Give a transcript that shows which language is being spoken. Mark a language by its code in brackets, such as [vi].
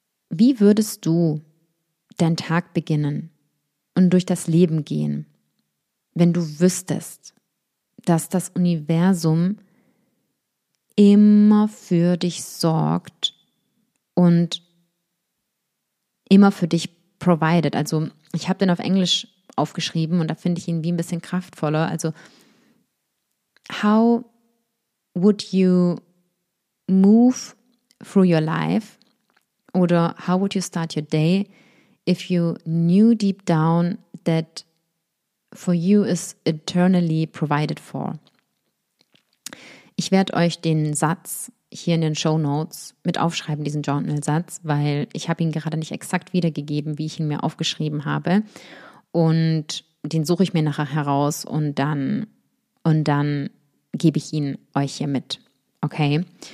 [de] Wie würdest du deinen Tag beginnen und durch das Leben gehen, wenn du wüsstest, dass das Universum immer für dich sorgt und immer für dich provided. Also ich habe den auf Englisch aufgeschrieben und da finde ich ihn wie ein bisschen kraftvoller. [en] Also how would you move through your life oder how would you start your day if you knew deep down that for you is eternally provided for? [de] Ich werde euch den Satz hier in den Shownotes mit aufschreiben, diesen Journal-Satz, weil ich habe ihn gerade nicht exakt wiedergegeben, wie ich ihn mir aufgeschrieben habe. Und den suche ich mir nachher heraus und dann gebe ich ihn euch hier mit. Okay?